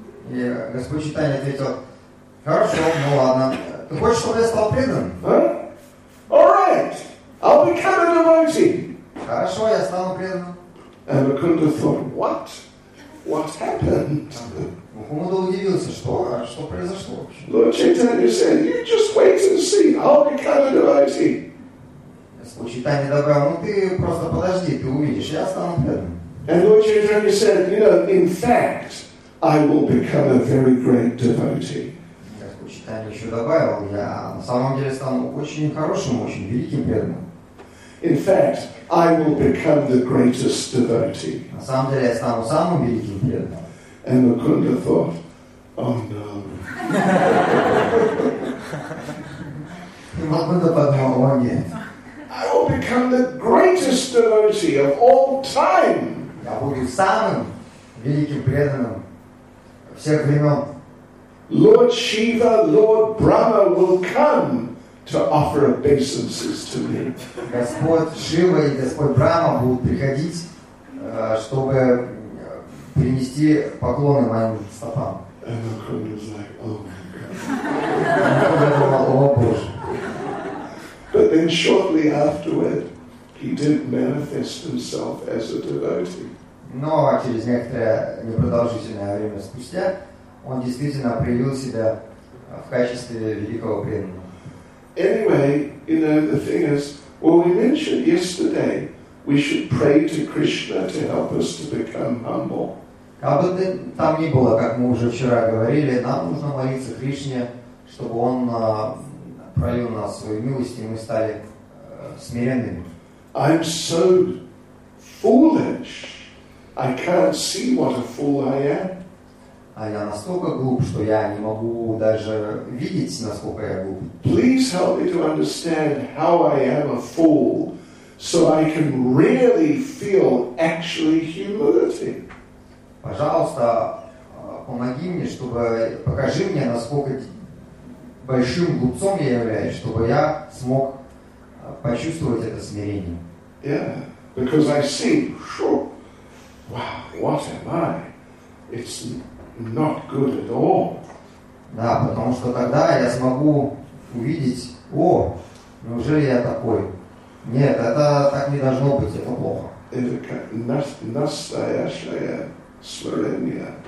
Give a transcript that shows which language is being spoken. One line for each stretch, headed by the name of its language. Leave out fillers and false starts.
Russian: И Господь Читани ответил, хорошо, ну ладно, ты хочешь, чтобы я стал преданным?
English: Huh? All right, I'll become a devotee.
Russian: Хорошо, я стал преданным.
English: And Мукунда thought, what? What happened?
Russian: Мукунда удивился, что произошло вообще.
English: Lord Chaitanya said, you just wait and see, I'll become a devotee.
Russian: Господь Читания добавил, ну ты просто подожди, ты увидишь, я стану преданным.
English: And Lord Chaitanya said, you know, in fact, I will become a very great devotee.
Russian: Господь Читания еще добавил, я на самом деле стану очень хорошим, очень великим преданным.
English: In fact, I will become the greatest devotee.
Russian: На самом деле я стану самым великим преданным.
English: And Mukunda thought, oh no. Mukunda thought, oh no. become the greatest devotee of all time.
Russian: Я буду самым великим преданным всех времен.
English: Lord Shiva, Lord Brahma will come to offer obeisances to me.
Russian: Господь Шива и Господь Брама будут приходить, чтобы принести поклоны моим стопам.
English: And Akuna's like, oh my God. But then shortly afterward, he did manifest himself as a devotee.
Russian: Но через некоторое непродолжительное время спустя он действительно проявил себя в качестве великого преданного.
English: Anyway, you know, the thing is, well, we mentioned yesterday, we should pray to Krishna to help us to become humble.
Russian: Как бы там ни было, как мы уже вчера говорили, нам нужно молиться Кришне, чтобы он пролил нас свою милость, и мы стали смиренными.
English: I'm so foolish. I can't see what a fool I am.
Russian: А я настолько глуп, что я не могу даже видеть, насколько я глуп.
English: Please help me to understand how I am a fool, so I can really feel actually humility.
Russian: Пожалуйста, помоги мне, чтобы покажи мне, насколько большим глупцом я являюсь, чтобы я смог почувствовать это смирение.
English: Yeah, because I see, sure, wow, what am I? It's not good at all.
Russian: Да, потому что тогда я смогу увидеть, о, неужели я такой? Нет, это так не должно быть, это плохо. Это настоящая смирение.